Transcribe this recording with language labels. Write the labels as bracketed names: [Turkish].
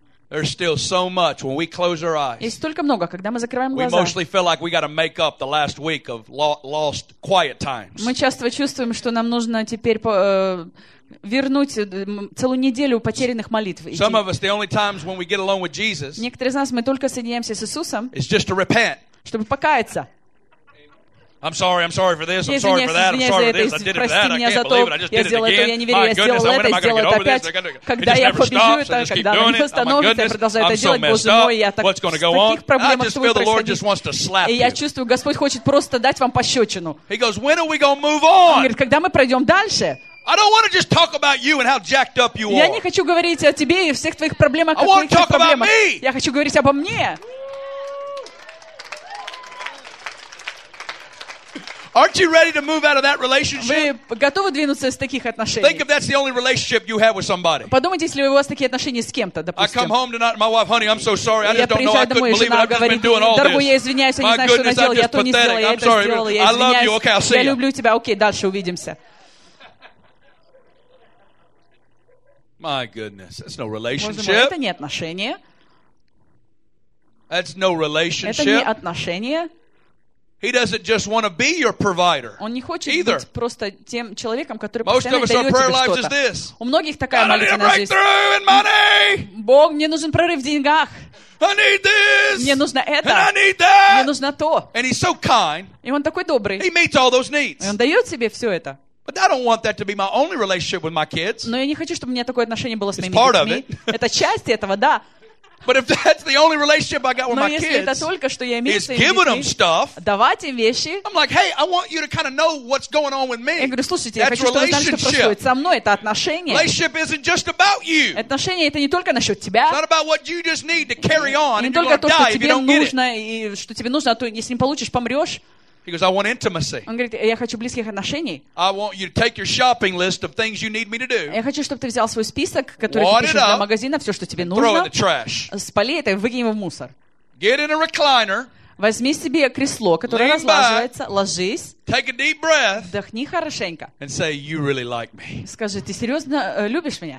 [English] There's still so much when we close our eyes. [Russian] Есть столько много, когда мы закрываем глаза. [English] We mostly feel like we got to make up the last week of lost quiet times. [Russian] Мы часто чувствуем, что нам нужно теперь вернуть целую неделю потерянных молитв. [English] Some of us, the only times when we get alone with Jesus. [Russian] Некоторые из нас мы только соединяемся с Иисусом. [English] It's just to repent. [Russian] Чтобы покаяться. [English] I'm sorry for this, I'm sorry for that, I'm sorry for this, I did it for that, I can't believe it, I just did it again, my goodness, when am I going to get over this, it just never stops, I just keep doing it, oh my goodness, I'm so messed up, what's going to go on, I just feel the Lord just wants to slap you, he goes, when are we going to move on, I don't want to just talk about you and how jacked up you are, I want to talk about me, [Russian] я хочу говорить обо мне. [English] Aren't you ready to move out of that relationship? [Russian] Вы готовы двинуться из таких отношений? [English] Think if that's the only relationship you have with somebody. [Russian] Подумайте, если у вас такие отношения с кем-то, допустим. [English] I come home tonight, my wife, honey, I'm so sorry. I just don't know. I couldn't believe it. I've just been doing all this. [Russian] Дорогой, я извиняюсь, я не знаю, что наделал. Я то не сделал, я это сделал. [English] I love you. Okay, I'll see you. [Russian] Я люблю тебя. Окей, дальше увидимся. [English] My goodness, that's no relationship. [Russian] Это не отношения. [English] That's no relationship. [Russian] Это не отношения. [English] He doesn't just want to be your provider. [Russian] Он не хочет either. Быть просто тем человеком, который [English] Most [Russian] постоянно дает тебе что-то. У многих такая молитва жизнь. Бог, мне нужен прорыв в деньгах. [English] I need this. [Russian] Мне нужно это. [English] And I need that. [Russian] Мне нужно то. [English] And he's so kind. [Russian] И он такой добрый. [English] He meets all those needs. [Russian] И он дает себе все это. [English] But I don't want that to be my only relationship with my kids. [Russian] Но я не хочу, чтобы у меня такое отношение было с моими [English] It's [Russian] детьми. Это часть этого, да. [English] But if that's the only relationship I got with [Russian] Но [English] my kids, [Russian] это только, что я имею [English] is giving them stuff, [Russian] давать им вещи, [English] I'm like, hey, I want you to kind of know what's going on with me. [Russian] Я говорю, слушайте, я хочу, чтобы вы знали, что происходит со мной. Это отношение. [English] Relationship isn't just about you. [Russian] Отношения это не только насчет тебя. [English] It's not about what you just need to carry on. [Russian] Не только то, что тебе нужно и что тебе нужно, а то если не получишь, помрешь. [English] He goes, I want intimacy. [Russian] Он говорит, я хочу близких отношений. [English] I want you to take your shopping list of things you need me to do. [Russian] Я хочу, чтобы ты взял свой список, который ты пишешь для магазина, все, что тебе нужно. [English] Throw it in the trash. [Russian] Спали это и выкинь его в мусор. [English] Get in a recliner. [Russian] Возьми себе кресло, которое разлаживается. Ложись. [English] Take a deep breath. [Russian] Вдохни хорошенько. [English] And say, you really like me. [Russian] Скажи, ты серьезно любишь меня?